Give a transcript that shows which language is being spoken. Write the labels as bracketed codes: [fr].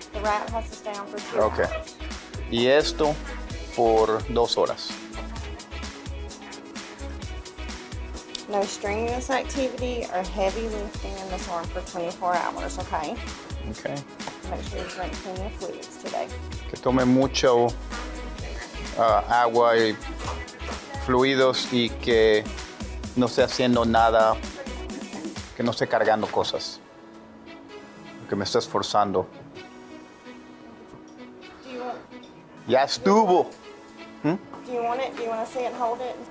[en] The wrap has to stay on for 2 hours. [es] Okay. Y esto por 2 horas. [en] No strenuous activity or heavy lifting in this arm for 24 hours, okay? Okay. Make sure you drink plenty of fluids today. [es] Que tome mucho agua y fluidos y que no esté haciendo nada, que no esté cargando cosas, que me esté esforzando. Ya estuvo. [en] Do you want to see it, hold it?